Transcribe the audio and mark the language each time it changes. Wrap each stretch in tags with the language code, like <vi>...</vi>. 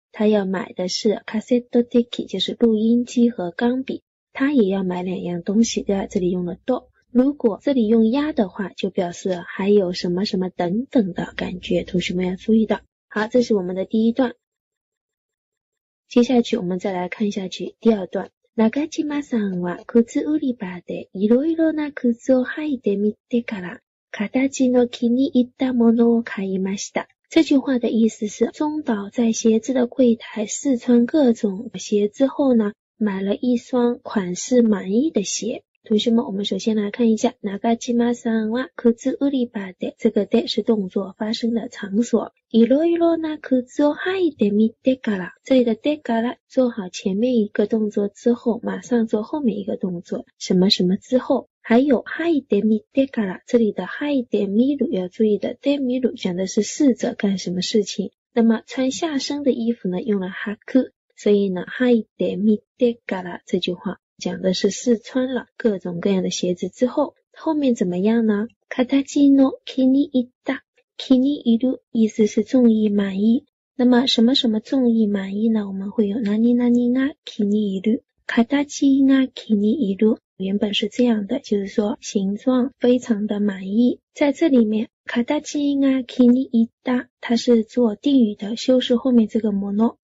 <zh>他要买的是 cassette deck， 就是录音机和钢笔。他也要买两样东西，对吧？这里用了 do， 如果这里用 ya 的话，就表示还有什么什么等等的感觉，同学们要注意的。好，这是我们的第一段。接下去我们再来看下去第二段。</zh> <ja>中島さんは靴売り場でいろいろな靴を履いてみてから形の気に入ったものを買いました。</ja> <zh>这句话的意思是，中岛在鞋子的柜台试穿各种鞋之后呢，买了一双款式满意的鞋。同学们，我们首先来看一下，</zh> <ja>中島さんは靴売り場で，</ja> <zh>这个で是动作发生的场所。</zh> <ja>いろいろな靴を履いてみてから，</ja> <zh>这里的でから做好前面一个动作之后，马上做后面一个动作，什么什么之后。还有</zh> <ja>履いてみてから，</ja> <zh>这里的履いてみる要注意的，でみる讲的是试着干什么事情。那么穿下身的衣服呢，用了履く，所以呢，</zh> <ja>履いてみてから</ja> <zh>这句话。讲的是试穿了各种各样的鞋子之后，后面怎么样呢？</zh> <ja>形の気に入った，気に入る</ja> <zh>意思是中意满意。那么什么什么中意满意呢？我们会有</zh> <ja>何々が気に入る，形が気に入る，</ja> <zh>原本是这样的，就是说形状非常的满意。在这里面，</zh> <ja>形が気に入った，</ja> <zh>它是做定语的修饰后面这个もの。</zh>